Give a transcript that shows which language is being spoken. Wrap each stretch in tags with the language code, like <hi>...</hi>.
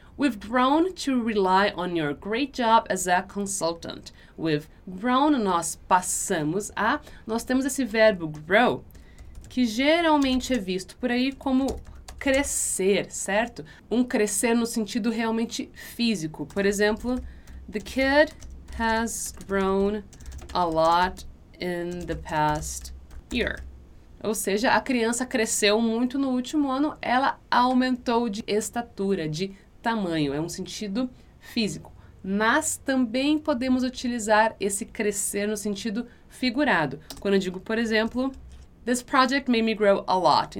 <en>We've grown to rely on your great job as a consultant. We've grown,</en> <pt>nós passamos a, nós temos esse verbo grow, que geralmente é visto por aí como crescer, certo? Um crescer no sentido realmente físico. Por exemplo,</pt> <en>the kid has grown a lot in the past year.</en> <pt>Ou seja, a criança cresceu muito no último ano, ela aumentou de estatura, de tamanho, é um sentido físico. Mas também podemos utilizar esse crescer no sentido figurado. Quando eu digo, por exemplo,</pt> <en>this project made me grow a lot.</en>